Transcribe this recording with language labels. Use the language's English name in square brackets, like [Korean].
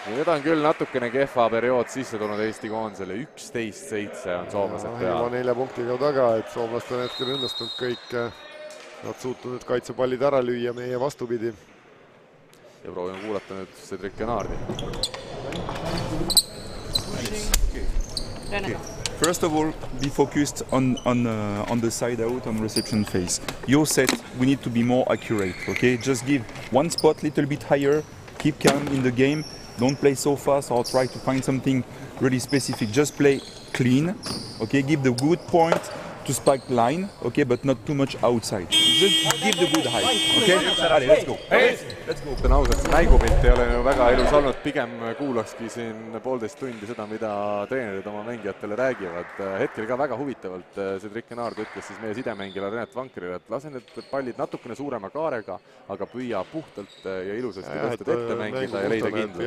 [Estonian] Nüüd on küll natukene kehva periood sisse tulnud Eesti koondisele, 11-7 on soomlased peal. Juba 4 punkti ka taga, et soomlased on hetkel õnnestunud kõik. Nad suutunud kaitsepallid ära lüüa meie vastupidi. Ja proovime kuulata nüüd Cedric Kennardi. Okay. [English] First of all, be focused on the side out, on reception phase. Your set, we need to be more accurate, okay? Just give one spot a little bit higher, keep calm in the game, don't play so fast or try to find something really specific. Just play clean, okay? Give the good point to spike line, okay? But not too much outside. Just give the good height, okay? Allez, let's go. [Estonian] Ütlen ausalt, see mängupilt ei ole väga ilus olnud, pigem kuulakski siin poolteist tundi seda, mida treenerid oma mängijatele räägivad. Hetkel ka väga huvitavalt see Trikkenaard ütles siis meie sidemängijale Renet Vankerile, et lase need pallid natukene suurema kaarega, aga püüa puhtalt ja ilusasti kõhted ette mängida ja leida kindlus.